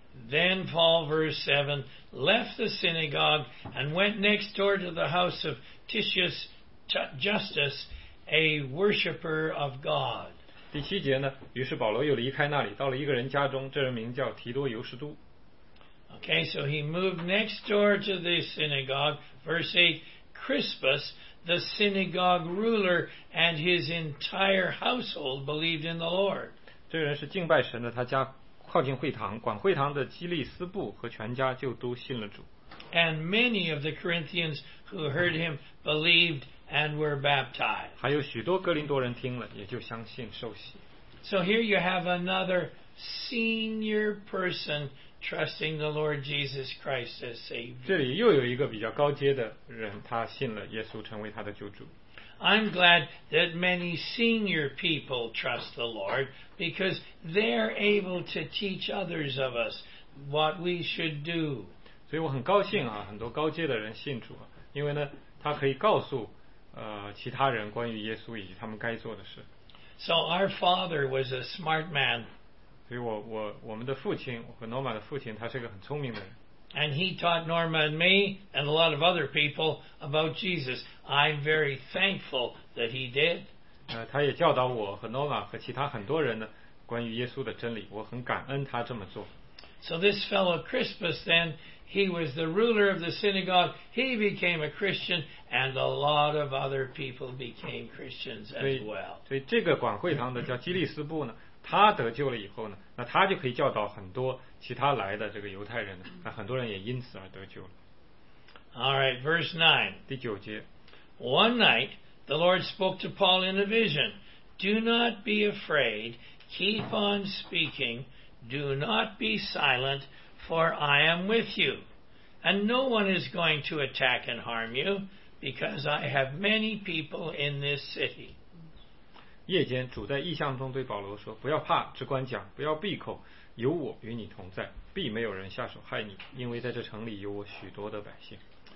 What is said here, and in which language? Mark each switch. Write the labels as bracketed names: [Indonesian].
[English] Then Paul, verse 7, left the synagogue and went next door to the house of Titius. Justice, a worshipper of God. [Chinese] 第七节呢，于是保罗又离开那里，到了一个人家中，这人名叫提多尤士都。 [English] Okay, so he moved next door to the synagogue. Verse 8, Crispus, the synagogue ruler, and his entire household believed in the Lord. [Chinese] 这人是敬拜神的，他家靠近会堂，管会堂的基利斯布和全家就都信了主。 [English] And many of the Corinthians who heard him believed. And were baptized. [Chinese] 还有许多哥林多人听了，也就相信受洗。 [English] So here you have another senior person trusting the Lord Jesus Christ as Savior. [Chinese] 这里又有一个比较高阶的人，他信了耶稣，成为他的救主。 [English] I'm glad that many senior people trust the Lord because they're able to teach others of us what we should do. [Chinese] 所以我很高兴啊，很多高阶的人信主，因为呢，他可以告诉。其他人关于耶稣以及他们该做的事。 [English] So our father was a smart man. [Chinese] 所以我们的父亲，我和 Norma 的父亲，他是个很聪明的人。 [English] And he taught Norma and me and a lot of other people about Jesus. I'm very thankful that he did. [Chinese] 他也教导我和 Norma 和其他很多人呢关于耶稣的真理，我很感恩他这么做。 [English] So this fellow Crispus then. He was the ruler of the synagogue. He became a Christian, and a lot of other people became Christians as well. [Chinese] 所以这个管会堂的叫基利斯布呢，他得救了以后呢，那他就可以教导很多其他来的这个犹太人呢，那很多人也因此而得救了。 [English] All right, verse 9. [Chinese] 第九节。 [English] One night, the Lord spoke to Paul in a vision. Do not be afraid. Keep on speaking. Do not be silent. For I am with you, and no one is going to attack and harm you, because I have many people in this city. [Chinese] 夜间，主在异象中对保罗说：“不要怕，只管讲，不要闭口，有我与你同在，必没有人下手害你，因为在这城里有我许多的百姓。”